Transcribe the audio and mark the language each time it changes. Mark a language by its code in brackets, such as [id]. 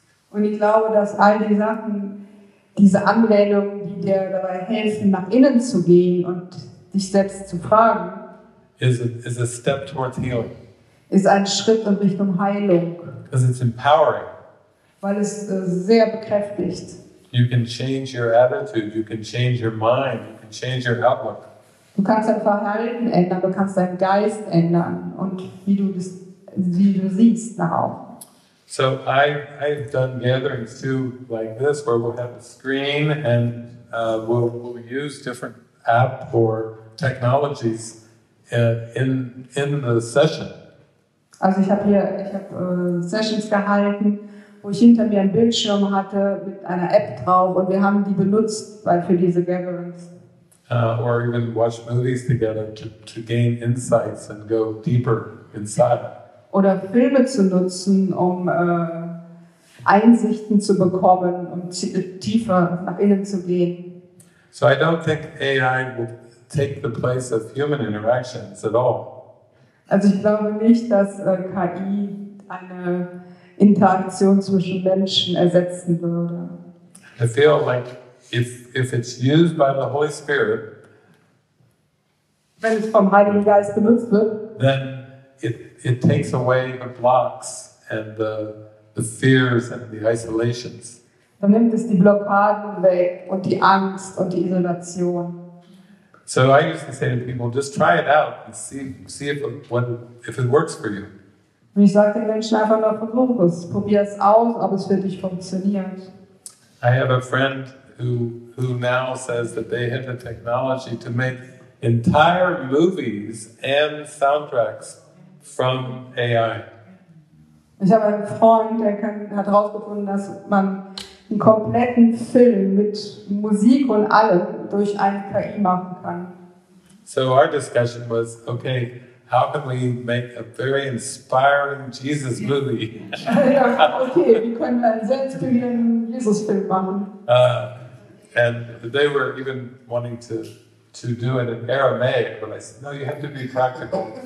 [de] Und ich glaube, dass all die Sachen, diese Anwendungen, die dir dabei helfen, nach innen zu gehen und dich selbst zu fragen, [en] is a step towards healing. [de] Ist ein Schritt in Richtung Heilung. [en] Because it's empowering. [de] Weil es sehr bekräftigt. [en] You can change your attitude, you can change your mind, you can change your outlook. [de] Du kannst dein Verhalten ändern, du kannst deinen Geist ändern und wie du siehst now. [en] So I've done gatherings too like this where we'll have a screen and we'll use different app or technologies in the session. [de] Also ich habe Sessions gehalten, wo ich hinter mir einen Bildschirm hatte mit einer App drauf und wir haben die benutzt für diese Gatherings. [en] Or even watch movies together to gain insights and go deeper inside. [de] Oder Filme zu nutzen, Einsichten zu bekommen, tiefer nach innen zu gehen. [en] So I don't think AI will take the place of human interactions at all. [de] Also ich glaube nicht, dass KI eine Interaktion zwischen Menschen ersetzen würde. [en] I feel like if it's used by the Holy Spirit, [de] wenn es vom Heiligen Geist benutzt wird, [en] then it takes away the blocks and the fears and the isolations. [de] Dann nimmt es die Blockaden weg und die Angst und die Isolation. [en] So I used to say to people, just try it out and see if it works for you. [de] Und ich sage den Menschen einfach nur, versuch es, probier es aus, ob es für dich funktioniert. [en] I have a friend who now says that they have the technology to make entire movies and soundtracks from AI. [de] Ich habe einen Freund, der hat herausgefunden, dass man einen kompletten Film mit Musik und allem durch ein KI machen kann. [en] So our discussion was, okay, how can we make a very inspiring Jesus movie? [de] Okay, wir können einen selbstbildenden Jesus-Film machen. [en] And they were even wanting to do it in Aramaic, but I said, no, you have to be practical.